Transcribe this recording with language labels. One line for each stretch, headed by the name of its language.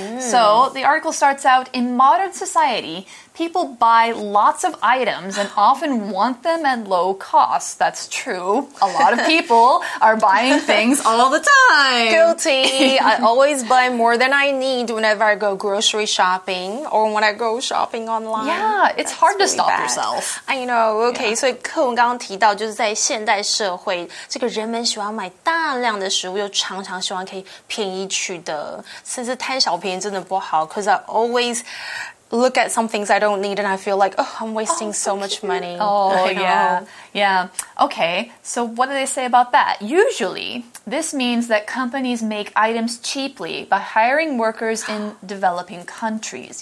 English: So the article starts out, in modern society, people buy lots of items and often want them at low cost. That's true. A lot of people are buying things all the time. Guilty. I always buy more than I need whenever I go grocery shopping or when I go shopping online. Yeah, it's hard to stop yourself. I know.
Chinese: Okay, so 课文刚刚提到就是在现代社会，这个人们喜欢买大量的食物，又常常希望可以便宜取得，甚至贪小便宜真的不好。
English: Because I always look at some things I don't need and I feel like, oh, I'm wasting so much money. Oh, yeah. Yeah. Okay, so what do they say about that? Usually, this means that companies make items cheaply by hiring workers in developing countries.